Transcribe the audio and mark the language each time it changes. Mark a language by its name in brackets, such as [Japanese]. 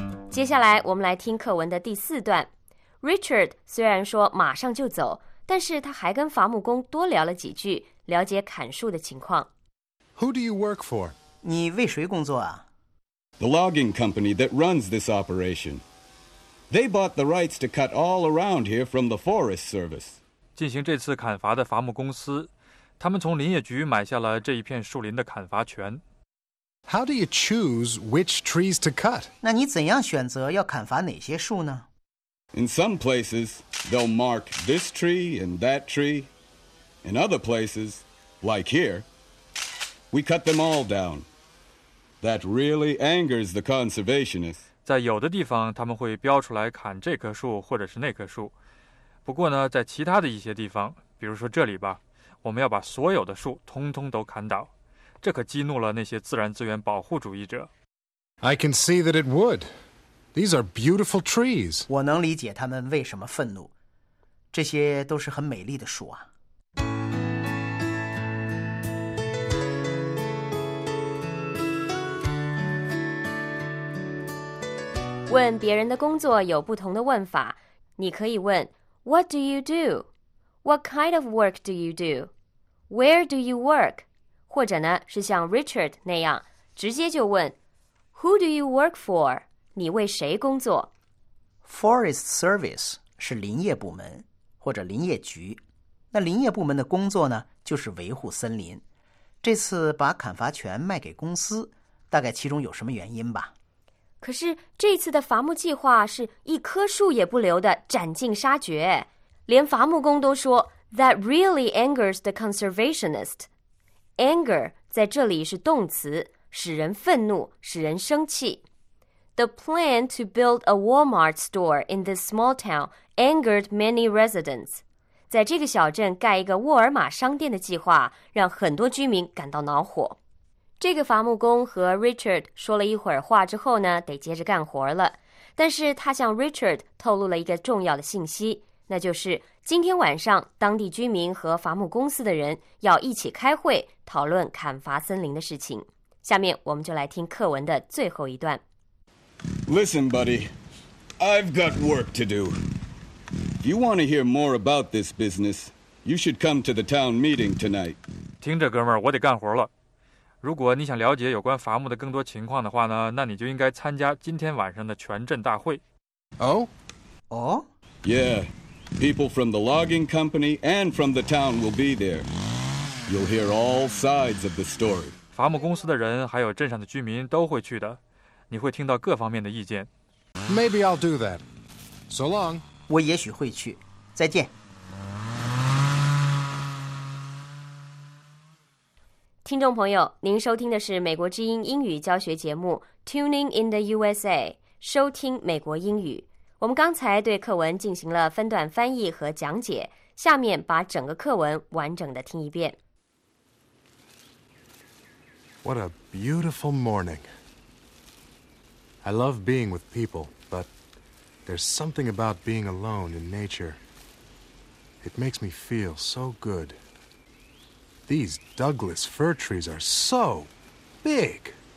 [Chinese] 接下来我们来听课文的第四段。Richard 虽然说马上就走，但是他还跟伐木工多聊了几句，了解砍树的情况。 [English] Who do you work for? [Chinese] 你为谁工作啊？ [English] The logging company that runs this operation. They bought the rights to cut all around here from the Forest Service. [Chinese] 进行这次砍伐的伐木公司，他们从林业局买下了这一片树林的砍伐权。 [English] How do you choose which trees to cut? [Chinese] 那你怎样选择要砍伐哪些树呢？ [English] In some places, they'll mark this tree and that tree. In other places, like here, we cut them all down. That really angers the conservationists. [Chinese] 在有的地方，他们会标出来砍这棵树或者是那棵树。不过呢，在其他的一些地方，比如说这里吧，我们要把所有的树通通都砍倒。这可激怒了那些自然资源保护主义者。 [English] I can see that it would. These are beautiful trees. [Chinese] 我能理解他们为什么愤怒。这些都是很美丽的树啊。问别人的工作有不同的问法。你可以问 [English] What do you do? What kind of work do you do? Where do you work? [Chinese] 或者呢，是像 Richard 那样，直接就问 [English] Who do you work for? [Chinese] 你为谁工作？ Forest Service 是林业部门，或者林业局。那林业部门的工作呢，就是维护森林。这次把砍伐权卖给公司，大概其中有什么原因吧。可是这次的伐木计划是一棵树也不留的斩尽杀绝，连伐木工都说 [English] That really angers the conservationist。 [Chinese] Anger 在这里是动词，使人愤怒，使人生气。 [English] The plan to build a Walmart store in this small town angered many residents. [Chinese] 在这个小镇盖一个沃尔玛商店的计划让很多居民感到恼火。这个伐木工和 Richard 说了一会儿话之后呢，得接着干活了。但是他向 Richard 透露了一个重要的信息，那就是今天晚上当地居民和伐木公司的人要一起开会讨论砍伐森林的事情。下面我们就来听课文的最后一段。 [English] Listen, buddy, I've got work to do. If you want to hear more about this business, you should come to the town meeting tonight. [Chinese] 听着，哥们儿，我得干活了。如果你想了解有关伐木的更多情况的话呢，那你就应该参加今天晚上的全镇大会。 [English] Oh? Oh? Yeah. People from the logging company and from the town will be there. You'll hear all sides of the story. [Chinese] 伐木公司的人还有镇上的居民都会去的，你会听到各方面的意见。 [English] Maybe I'll do that. So long. [Chinese] 我也许会去。再见。听众朋友，您收听的是美国之音英语教学节目 Tuning in the USA， 收听美国英语。我们刚才对课文进行了分段翻译和讲解，下面把整个课文完整的听一遍。 [English] What a beautiful morning. I love being with people, but there's something about being alone in nature. It makes me feel so good. These Douglas fir trees are so big.